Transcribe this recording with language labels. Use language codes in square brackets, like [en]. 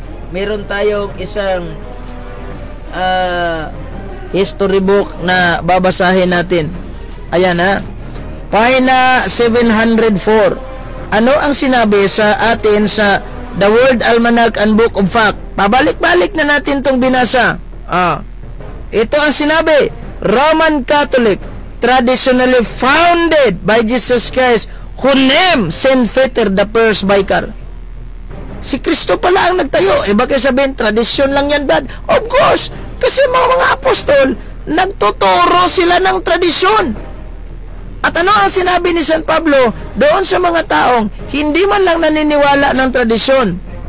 [tl] Meron tayong isang history book na babasahin natin. Ayan, ha. Pahina 704. Ano ang sinabi sa atin sa The World Almanac and Book of Fact? Pabalik-balik na natin itong binasa. Ito ang sinabi. [en] Roman Catholic, traditionally founded by Jesus Christ, who named Saint Peter the first biker. [tl] Si Kristo pala ang nagtayo. E bakit sabihin, tradisyon lang yan, Brad? [en] Of course! [tl] Kasi mga apostol, nagtuturo sila ng tradisyon. At ano ang sinabi ni San Pablo doon sa mga taong hindi man lang naniniwala ng tradisyon?